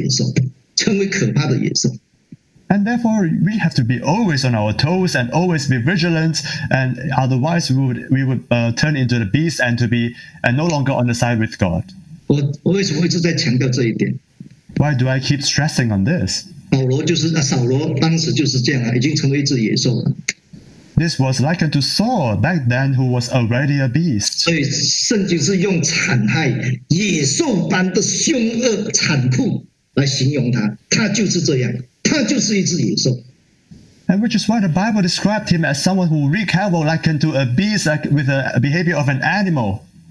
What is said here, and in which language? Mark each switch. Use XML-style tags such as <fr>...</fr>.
<zh>所以我们真的要非常谨慎的，当我们的心如果不是向善，不站在神那边的时候，我们分分钟会变成野兽，成为可怕的野兽。</zh> <en>And therefore, we have to be always on our toes and always be vigilant, and otherwise we would turn into the beast and to be and no longer on the side with God. Why do I keep stressing on this? This was likened to Saul back then, who was already a beast.</en> <zh>所以圣经是用惨害、野兽般的凶恶、残酷来形容他，他就是这样。</zh> <en>And which is why the Bible described him as someone who wreaked havoc like unto a beast, like with the behavior of an animal.</en>